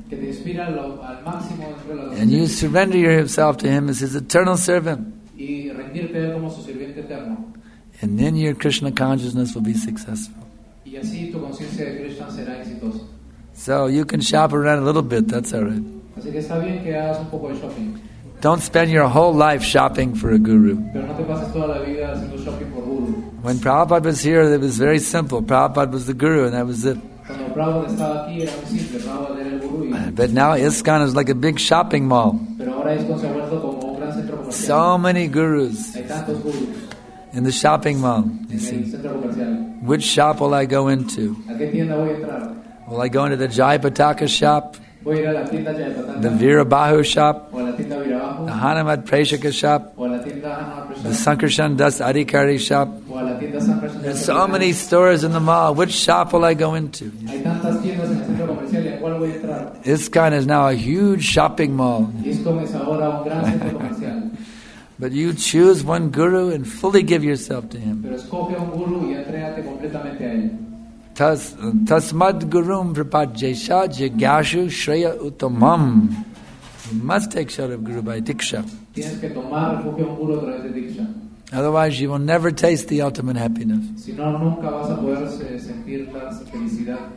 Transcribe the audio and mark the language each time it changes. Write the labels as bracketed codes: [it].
[en] And you surrender yourself to him as his eternal servant. [es] y rendirte como su sirviente eterno. [en] And then your Krishna consciousness will be successful. [es] Y así tu conciencia de Krishna será exitosa. [en] So you can shop around a little bit, that's all right. [es] Así que está bien que hagas un poco de shopping. [en] Don't spend your whole life shopping for a guru. [es] Pero no te pases toda la vida haciendo shopping por guru. [en] When Prabhupada was here, it was very simple. Prabhupada was the guru, and that was it. [es] Cuando Prabhupada estaba aquí, era muy simple. Prabhupada era el guru. [en] But now ISKCON is like a big shopping mall. [es] Pero ahora ISKCON se ha vuelto como un gran centro comercial. [en] So many gurus. [es] Hay tantos gurus. [en] In the shopping mall, you see. Which shop will I go into? [es] ¿A qué tienda voy a entrar? [en] Will I go into the Jayapataka shop? [es] Voy a ir a la tienda Jayapataka. [en] The Virabahu shop? [es] O la tienda Virabahu. [en] The Hanumat Preshaka shop? [es] O la tienda Hanumat Preshaka. [en] The Sankarshan Das Adhikari shop? [es] O la tienda Sankarshan. [en] There's so many stores in the mall. Which shop will I go into? [es] Hay tantas tiendas en el centro comercial. ¿A cuál voy a entrar? [en] ISKCON is now a huge shopping mall. [es] ISKCON es ahora un gran centro comercial. [en] But you choose one guru and fully give yourself to him. [es] Pero escoge un guru y entrégate completamente a él. [sa] Tasmad gurum prapajesha jagyashu shreya utamam. [en] You must take shelter of guru by diksha. [es] Tienes que tomar refugio en un guru a través de diksha. [en] Otherwise you will never taste the ultimate happiness. [es] Si no, nunca vas a poder sentir la felicidad.